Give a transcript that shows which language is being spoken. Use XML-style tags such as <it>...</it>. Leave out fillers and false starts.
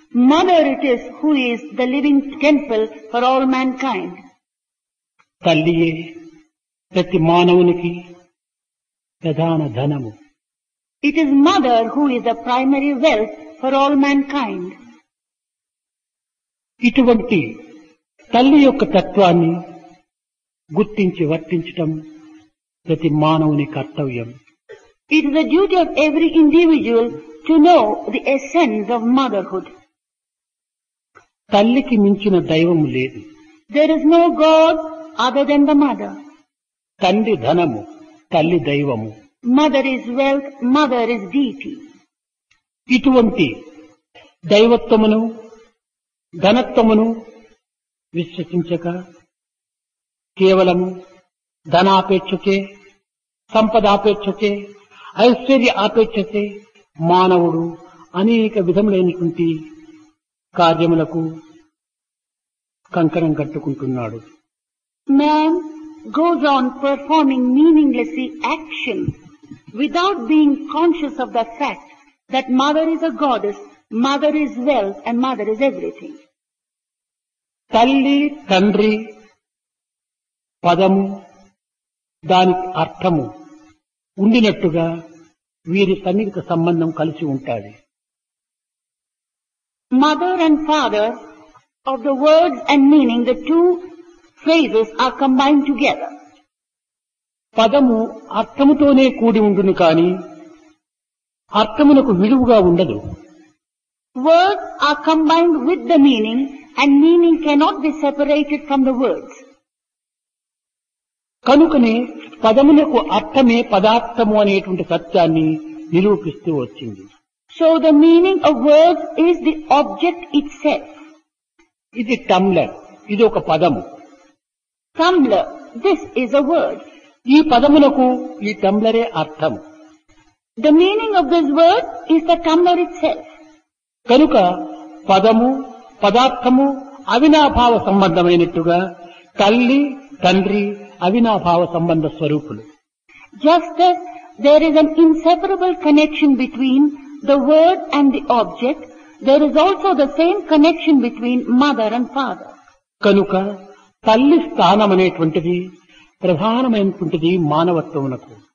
<en>Mother it is who is the living temple for all mankind.</en> <te>Talliye prati manavuniki pradhana dhanamu.</te> <en>It is mother who is the primary wealth for all mankind.</en> <te>Ituvanti talli yokka tattvanni గుర్తించి వర్తించటం ప్రతి మానవుని కర్తవ్యం.</te> <en>It is the duty of every individual to know the essence of motherhood.</en> <te>తల్లికి మించిన దైవము లేదు.</te> <en>There is no god other than the mother.</en> <te>తండ్రి ధనము, తల్లి దైవము.</te> <en>Mother is wealth, mother is deity.</en> <te>ఇటువంటి దైవత్వమును ధనత్వమును విశ్వసించక కేవలము ధనాపేక్షకే సంపదాపేక్షకే ఐశ్వర్య ఆపేక్షకే మానవుడు అనేక విధములైనటువంటి కార్యములకు కంకణం కట్టుకుంటున్నాడు.</te> <en>Man goes on performing meaningless action without being conscious of the fact that mother is a goddess, mother is wealth and mother is everything.</en> <te>తల్లి తండ్రి పదము దానికి అర్థము ఉండినట్టుగా వీరి సన్నిహిత సంబంధం కలిసి ఉంటాడు.</te> <en>Mother and father of the words and meaning the two phrases are combined together.</en> <te>పదము అర్థముతోనే కూడి ఉంటుంది కాని అర్థమునకు విలువగా ఉండదు.</te> <en>Words are combined with the meaning and meaning cannot be separated from the words.</en> <te>కనుకనే పదమునకు అర్థమే పదార్థము అనేటువంటి సత్యాన్ని నిరూపిస్తూ వచ్చింది.</te> <en>So the meaning of words is the object itself.</en> <te>ఇది టంబ్లర్, ఇది ఒక పదము.</te> <en>Tumbler, this is a word.</en> <te>ఈ పదమునకు ఈ టంబ్లరే అర్థం.</te> <en>The meaning of this word is the tumbler itself.</en> <te>కనుక పదము పదార్థము అవినాభావ సంబంధమైనట్టుగా తల్లి తండ్రి అవినాభావ సంబంధ స్వరూపులు.</te> <en>Just as there is an inseparable connection between the word and the object, there is also the same connection between mother and father.</en> <te>కనుక తల్లి స్థానం అనేటువంటిది ప్రధానమైనటువంటిది మానవత్వమునకు.</te>